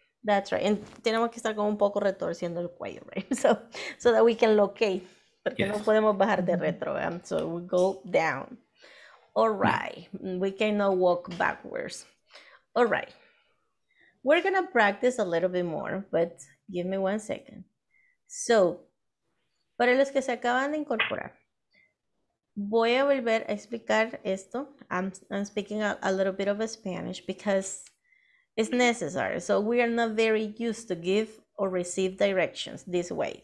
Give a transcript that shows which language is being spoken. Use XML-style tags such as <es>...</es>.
<en>That's right.</en> <es>And tenemos que estar como un poco retorciendo el cuello, right?</es> <en>So that we can locate.</en> <es>Porque no podemos bajar de retro, ¿verdad?</es> <en>So we go down. All right. We cannot walk backwards. All right. We're going to practice a little bit more, but give me one second.</en> <es>So, para los que se acaban de incorporar, voy a volver a explicar esto.</es> <en>I'm speaking a little bit of Spanish because it's necessary. So we are not very used to give or receive directions this way.</en>